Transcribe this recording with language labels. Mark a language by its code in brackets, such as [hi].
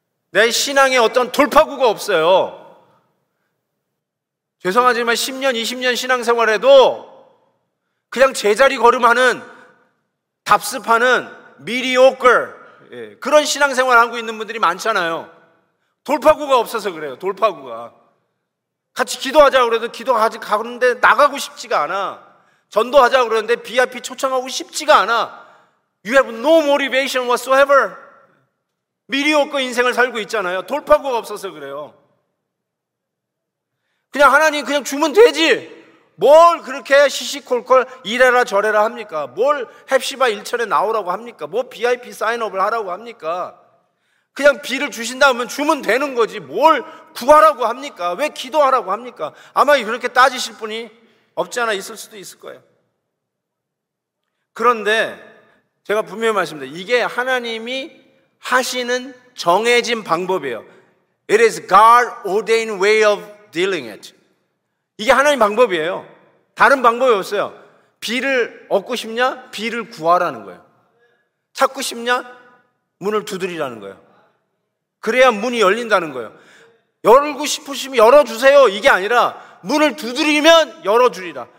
[ko] 내 신앙에 어떤 돌파구가 없어요. 죄송하지만 10년 20년 신앙생활에도 그냥 제자리 걸음하는 답습하는 미디오클 그런 신앙생활 하고 있는 분들이 많잖아요. 돌파구가 없어서 그래요. 돌파구가. 같이 기도하자고 그래도 기도하지 가는데 나가고 싶지가 않아. 전도하자고 그러는데 VIP 초청하고 싶지가 않아. [en] You have no motivation whatsoever. [ko] 미디오커 인생을 살고 있잖아요. 돌파구가 없어서 그래요. 그냥 하나님 그냥 주면 되지. 뭘 그렇게 시시콜콜 이래라 저래라 합니까? 뭘 헵시바 일천에 나오라고 합니까? 뭐 VIP 사인업을 하라고 합니까? 그냥 비를 주신다 하면 주면 되는 거지. 뭘 구하라고 합니까? 왜 기도하라고 합니까? 아마 그렇게 따지실 분이 없지 않아 있을 수도 있을 거예요. 그런데 제가 분명히 말씀드립니다. 이게 하나님이 하시는 정해진 방법이에요. [en] It is God ordained way of dealing it. [ko] 이게 하나님 방법이에요. 다른 방법이 없어요. 비를 얻고 싶냐? 비를 구하라는 거예요. 찾고 싶냐? 문을 두드리라는 거예요. 그래야 문이 열린다는 거예요. 열고 싶으시면 열어주세요. 이게 아니라 문을 두드리면 열어주리라.